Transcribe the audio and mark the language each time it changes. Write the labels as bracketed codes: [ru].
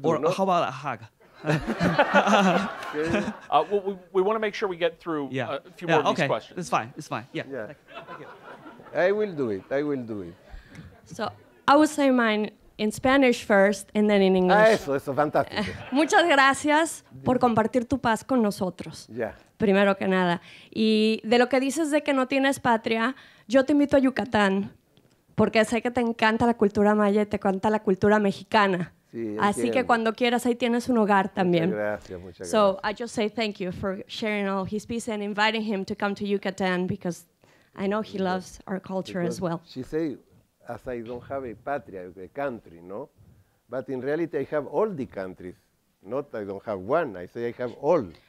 [en] Or how about a hug? Well, we want to make sure we get through a few more of these questions. It's fine. Yeah. Thank you. I will do it. So I will say mine in Spanish first and then in English. [es] Ah, eso, fantástico. Muchas gracias por compartir tu paz con nosotros. [en] Yeah. [es] Primero que nada. Y de lo que dices de que no tienes patria, yo te invito a Yucatán, porque sé que te encanta la cultura maya y te encanta la cultura mexicana. Así que cuando quieras, ahí tienes un hogar también. Muchas gracias. [en] I just say thank you for sharing all his piece and inviting him to come to Yucatan because I know he loves our culture because as well. She say, as I don't have a patria, a country, no? But in reality, I have all the countries. Not I don't have one. I say I have all.